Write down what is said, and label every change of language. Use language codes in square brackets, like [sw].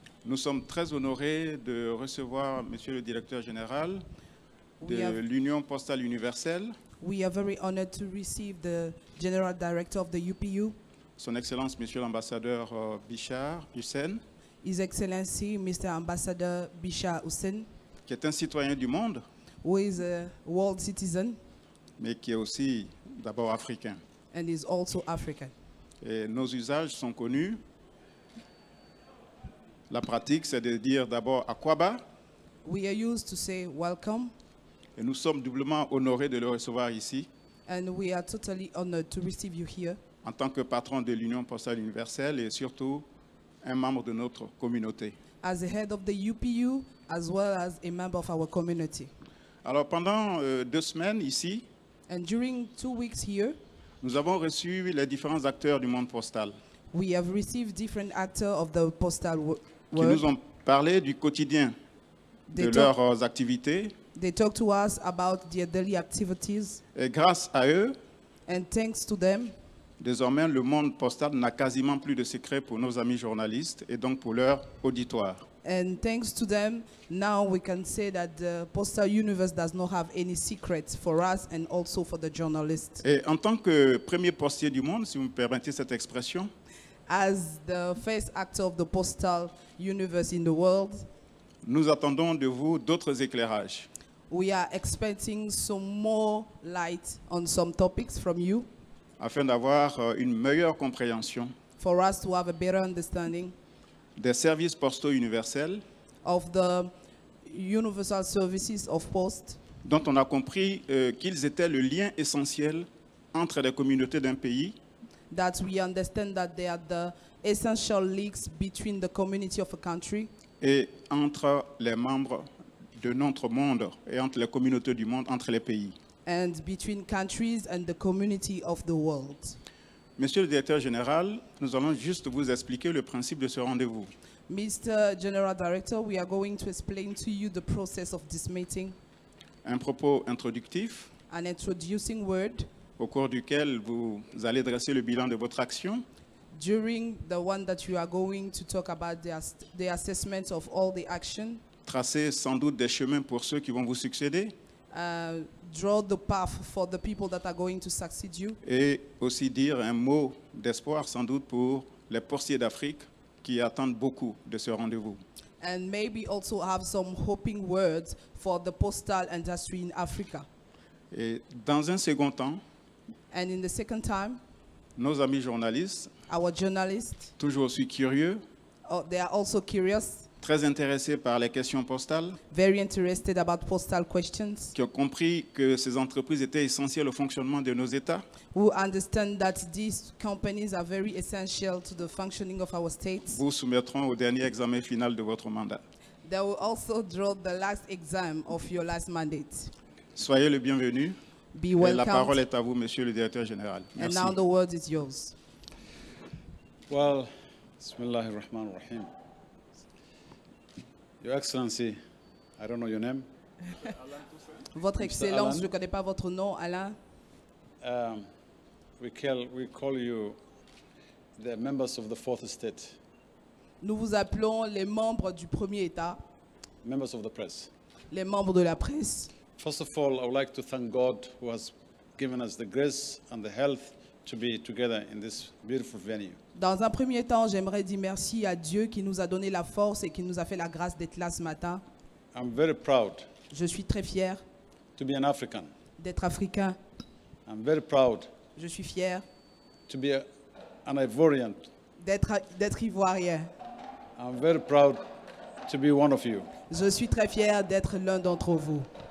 [fr] Nous sommes très honorés de recevoir Monsieur le Directeur Général de l'Union Postale Universelle. [en] We are very honored to receive the General Director of the UPU. [fr] Son Excellence Monsieur l'Ambassadeur Bichard Hussein. [en] His Excellency Mr. Ambassador Bichard Hussein. [fr] Qui est un citoyen du monde. [en] Who is a world citizen. [fr] Mais qui est aussi d'abord africain. [en] And is also African. [fr] Et nos usages sont connus. La pratique, c'est de dire d'abord à quoi bas. [en] We are used to say welcome. [fr] Et nous sommes doublement honorés de le recevoir ici. [en] And we are totally honored to receive you here. [fr] En tant que patron de l'Union Postale Universelle et surtout un membre de notre communauté. [en] As the head of the UPU, as well as a member of our community. [fr] Alors pendant deux semaines ici. [en] And during 2 weeks here. [fr] Nous avons reçu les différents acteurs du monde postal. [en] We have received different actors of the postal world. [fr] Qui nous ont parlé du quotidien de leurs activités. [en] They talk to us about their daily activities. [fr] Et grâce à eux. [en] And thanks to them. [fr] Désormais, le monde postal n'a quasiment plus de secrets pour nos amis journalistes et donc pour leur auditoire. [en] And thanks to them, now we can say that the postal universe does not have any secrets for us and also for the journalists. [fr] Et en tant que premier postier du monde, si vous me permettez cette expression, [en] as the first actor of the postal universe in the world, [fr] nous attendons de vous d'autres éclairages. [en] We are expecting some more light on some topics from you. [fr] Afin d'avoir une meilleure compréhension. [en] For us to have a better understanding. [fr] Des services postaux universels. [en] Of the universal services of post. [fr] Dont on a compris qu'ils étaient le lien essentiel entre les communautés d'un pays. [en] That we understand that they are the essential links between the community of a country. [fr] Et entre les membres de notre monde et entre les communautés du monde, entre les pays. [en] And between countries and the community of the world. [fr] Monsieur le Directeur Général, nous allons juste vous expliquer le principe de ce rendez-vous. [en] Mr. General Director, we are going to explain to you the process of this meeting. [fr] Un propos introductif. [en] An introducing word. [fr] Au cours duquel vous allez dresser le bilan de votre action. [en] During the one that you are going to talk about the assessment of all the action. [fr] Tracer sans doute des chemins pour ceux qui vont vous succéder. [en] Draw the path for the people that are going to succeed you. [fr] Et aussi dire un mot d'espoir sans doute pour les postiers d'Afrique qui attendent beaucoup de ce rendez-vous. [en] And maybe also have some hoping words for the postal industry in Africa. [fr] Et dans un second temps. [en] And in the second time. [fr] Nos amis journalistes. [en] Our journalists. [fr] Toujours aussi curieux. [en] Oh, they are also curious. [fr] Très intéressés par les questions postales. [en] Very interested about postal questions. [fr] Qui ont compris que ces entreprises étaient essentielles au fonctionnement de nos États. [en] Who understand that these companies are very essential to the functioning of our states. [fr] Vous soumettront au dernier examen final de votre mandat. [en] They will also draw the last exam of your last mandate. [fr] Soyez le bienvenu. [en] Be welcome. [fr] La parole est à vous, Monsieur le Directeur Général. Merci. [en] And now the word is yours. Well, [ar] bismillah ar-Rahman ar-Rahim. [en] Your Excellency, I don't know your name. [fr] Votre Excellence, je ne connais pas votre nom, Alain. [en] We call you the members of the fourth estate. [fr] Nous vous appelons les membres du premier état. [en] Members of the press. [fr] Les membres de la presse. [en] First of all, I would like to thank God who has given us the grace and the health to be together in this beautiful venue. [fr] Dans un premier temps, j'aimerais dire merci à Dieu qui nous a donné la force et qui nous a fait la grâce d'être là ce matin. [en] I'm very proud. [fr] Je suis très fier. [en] To be an African. [fr] D'être africain. [en] I'm very proud. [fr] Je suis fier. [en] To be an Ivorian. [fr] D'être ivoirien. [en] I'm very proud to be one of you. [fr] Je suis très fier d'être l'un d'entre vous.